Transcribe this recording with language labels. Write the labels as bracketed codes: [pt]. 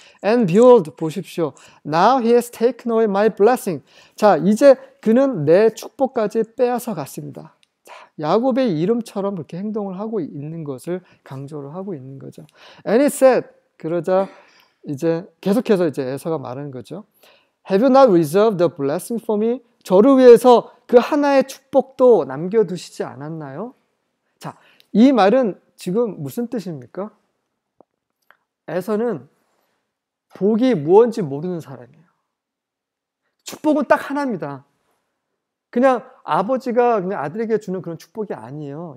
[en] And behold, [ko] 보십시오. [en] Now he has taken away my blessing. [ko] 자, 이제 그는 내 축복까지 빼앗아갔습니다. 야곱의 이름처럼 그렇게 행동을 하고 있는 것을 강조를 하고 있는 거죠. [en] And he said, [ko] 그러자 이제 계속해서 이제 에서가 말하는 거죠. [en] Have you not reserved the blessing for me? [ko] 저를 위해서 그 하나의 축복도 남겨두시지 않았나요? 자, 이 말은 지금 무슨 뜻입니까? 에서는 복이 무엇인지 모르는 사람이에요. 축복은 딱 하나입니다. 그냥 아버지가 그냥 아들에게 주는 그런 축복이 아니에요.